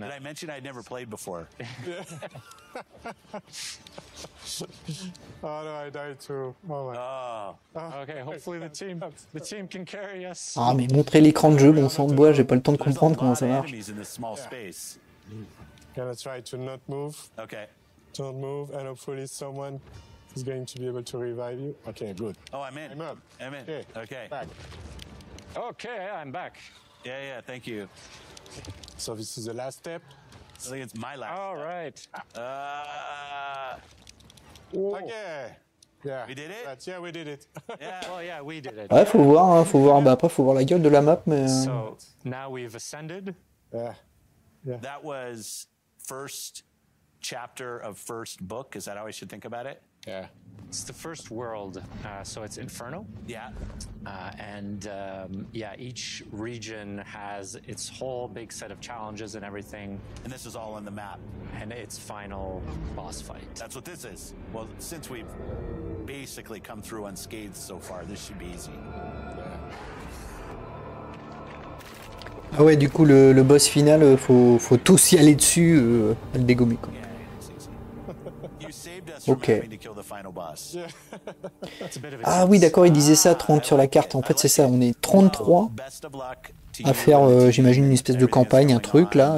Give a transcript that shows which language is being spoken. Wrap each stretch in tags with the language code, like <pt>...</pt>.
<en>Did I mention I'd never played before? Oh no, I died too. Oh my. Okay, hopefully the team can carry us.</en> <fr>Ah, mais montrer l'écran de jeu, bon sang de bois, j'ai pas le temps de comprendre comment ça marche.</fr> <en>In this small space. Gonna try to not move. Okay. Don't move, and hopefully someone is going to be able to revive you. Okay, good. Oh, I'm in. I'm in. Okay. Back. Okay, I'm back. Yeah, thank you. So this is the last step? I think it's my last step. All right. Okay. Yeah. We did it? We did it. Well, we did it.</en> <fr>Ouais, faut voir, hein, faut voir. Bah après, faut voir la gueule de la map, mais...</fr> <en>So, now we've ascended. Yeah. That was first chapter of first book. Is that how I should think about it? Yeah. It's the first world, so it's Inferno. Yeah. And each region has its whole big set of challenges and everything. And this is all on the map. And its final boss fight. That's what this is. Well, since we've basically come through unscathed so far, this should be easy. Yeah.</en> <fr>Ah ouais, du coup, le boss final, faut tous y aller dessus, le dégommer, quoi.</fr> <en>You saved us. Ok.</en> <fr>Ah oui, d'accord, il disait ça, 30 sur la carte. En fait, c'est ça, on est 33 à faire, j'imagine, une espèce de campagne, un truc, là.</fr>